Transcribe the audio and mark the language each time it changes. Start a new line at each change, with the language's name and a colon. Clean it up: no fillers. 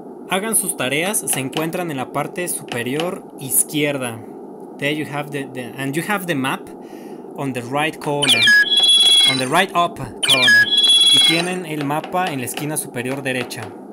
Spanish: Hagan sus tareas, se encuentran en la parte superior izquierda.
English: There you have and you have the map on the right corner. On the right up corner.
Spanish: Y tienen el mapa en la esquina superior derecha.